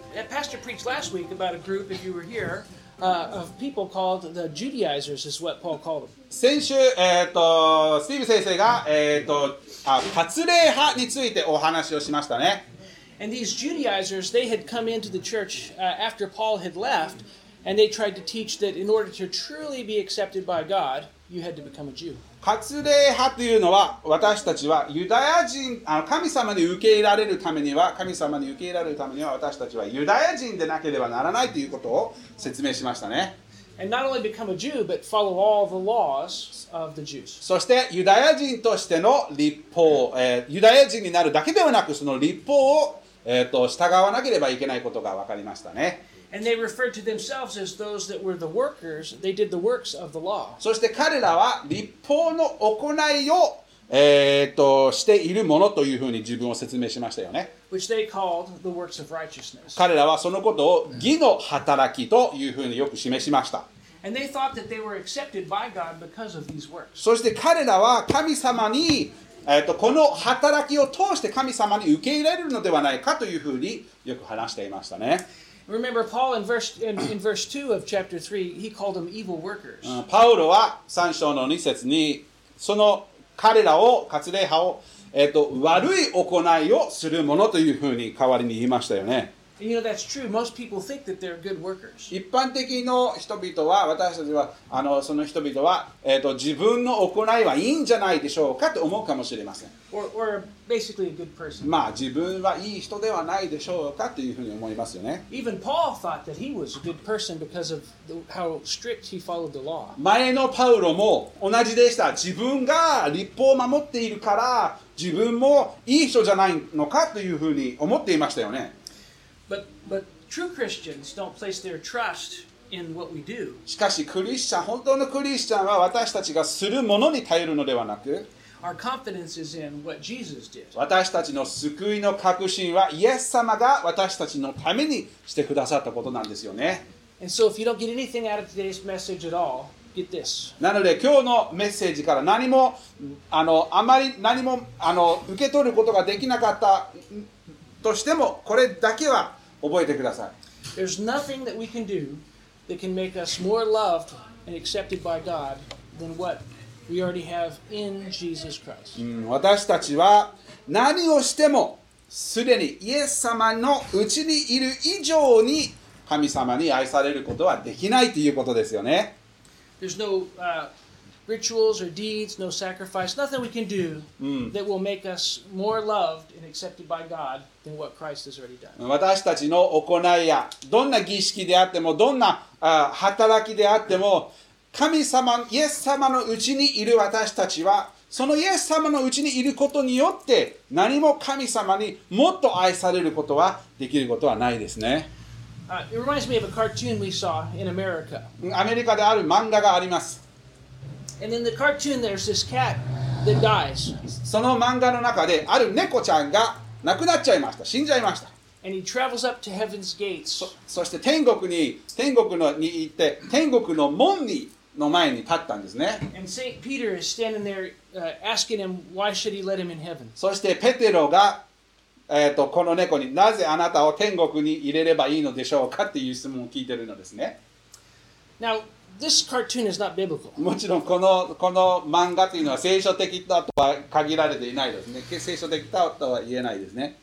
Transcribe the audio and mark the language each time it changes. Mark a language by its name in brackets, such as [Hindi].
[English] Pastor preached last week about a group, if you were here, of people called the Judaizers, is what Paul called them. [Japanese] 先週、スティーブ先生が、パツレー派についてお話をしましたね。 [English] And these Judaizers, they had come into the church after Paul had left, and they tried to teach that in order to truly be accepted by God, you had to become a Jew. [Japanese] パツレー派というのは、私たちはユダヤ人、神様に受け入れられるためには、神様に受け入れられるためには、私たちはユダヤ人でなければならないということを説明しましたね。 [English] And not only become a Jew, but follow all the laws of the Jews. [Japanese] そしてユダヤ人としての律法、ユダヤ人になるだけではなく、その律法を、従わなければいけないことが分かりましたね。 [English] And they referred to themselves as those that were the workers. They did the works of the law. [Japanese] そして彼らは律法の行いを、しているものというふうに自分を説明しましたよね。 [English] Which they called the works of righteousness. [Japanese] 彼らはそのことを義の働きというふうによく示しました。 [English] And they thought that they were accepted by God because of these works. [Japanese] そして彼らは神様に、この働きを通して神様に受け入れるのではないかというふうによく話していましたね。 [English] Remember, Paul in verse 2 of chapter 3, he called them evil workers. [Japanese] パウロは3章の2節に、その彼らを、割礼派を、悪い行いをするものというふうに代わりに言いましたよね。 [English] You know, that's true. Most people think that they're good workers. [Japanese] 一般的の人々は、私たちは、その人々は、自分の行いはいいんじゃないでしょうかと思うかもしれません。 [English] Or basically a good person. [Japanese] まあ、自分はいい人ではないでしょうかというふうに思いますよね。 [English] Even Paul thought that he was a good person because of how strict he followed the law. [Japanese] 前のパウロも同じでした。自分が律法を守っているから、自分もいい人じゃないのかというふうに思っていましたよね。 [English] But true Christians don't place their trust in what we do. [Japanese] しかしクリスチャン、本当のクリスチャンは私たちがするものに頼るのではなく、 [English] Our confidence is in what Jesus did. [Japanese] 私たちの救いの確信はイエス様が私たちのためにしてくださったことなんですよね。 [English] And so if you don't get anything out of today's message at all, get this. [Japanese] なので今日のメッセージから何も、あまり何も、受け取ることができなかったとしても、これだけは覚えてください。 [English] There's nothing that we can do that can make us more loved and accepted by God than what we already have in Jesus Christ. [Japanese] 私たちは何をしてもすでにイエス様のうちにいる以上に神様に愛されることはできないということですよね。 [English] There's no rituals or deeds, no sacrifice, nothing we can do that will make us more loved and accepted by God. [Japanese] 私たちの行いやどんな儀式であってもどんな働きであっても神様イエス様のうちにいる私たちはそのイエス様のうちにいることによって何も神様にもっと愛されることはできることはないですね。 [English] It reminds me of a cartoon we saw in America. [Japanese] アメリカである漫画があります。 [English] And in the cartoon there's this cat that dies. [Japanese] その漫画の中である猫ちゃんが亡くなっちゃいました。死んじゃいました。 [English] And he travels up to heaven's gates. [Japanese] そして天国に行って天国の門にの前に立ったんですね。 [English] And Saint Peter is standing there, asking him why should he let him in heaven. [Japanese] そしてペテロが、この猫になぜあなたを天国に入れればいいのでしょうかっていう質問を聞いてるのですね。 [English] Now, this cartoon is not biblical. [Japanese] もちろんこの漫画というのは聖書的だとは限られていないですね。聖書的だとは言えないですね。